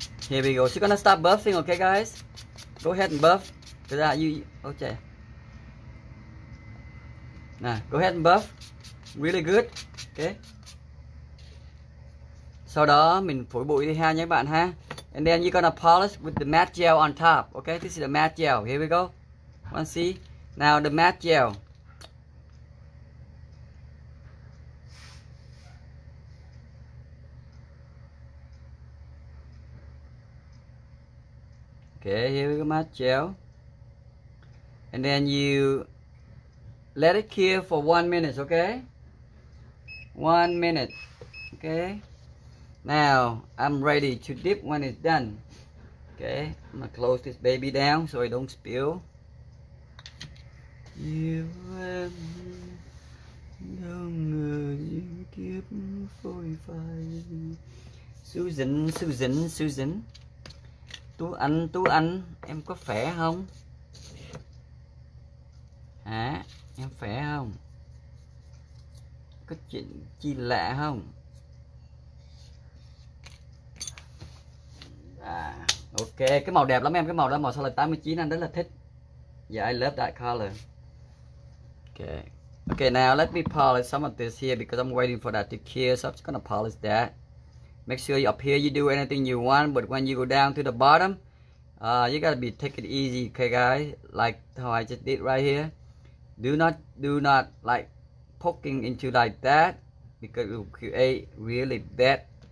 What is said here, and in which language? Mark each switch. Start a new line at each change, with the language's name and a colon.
English: Here we go. She's gonna start buffing, okay guys. Go ahead and buff. Okay. Nè, go ahead and buff. Really good. Okay.
Vietnamese: Sau đó mình phủi bụi đi ha nhé bạn ha.
English: And then you're gonna polish with the matte gel on top. Okay, this is the matte gel. Here we go. Want to see? Now the matte gel. Okay, here we go, matte gel. And then you let it cure for 1 minute, okay? 1 minute, okay? Now I'm ready to dip when it's done. Okay, I'm gonna close this baby down so it don't spill.
Vietnamese: Yêu em đâu ngờ duyên kiếp phôi phai. Susan, Tú Anh, em có khỏe không? Hả? Em khỏe không? Có chuyện chi lạ không? Ok, cái màu đẹp lắm em, cái màu đó màu solid 89 anh rất là thích.
English: Yeah, I love that color. Okay. Okay, now let me polish some of this here because I'm waiting for that to cure, so I'm just gonna polish that. Make sure you up here you do anything you want, but when you go down to the bottom, you gotta be take it easy, okay guys? Like how I just did right here. Do not like poking into like that because it will create really bad.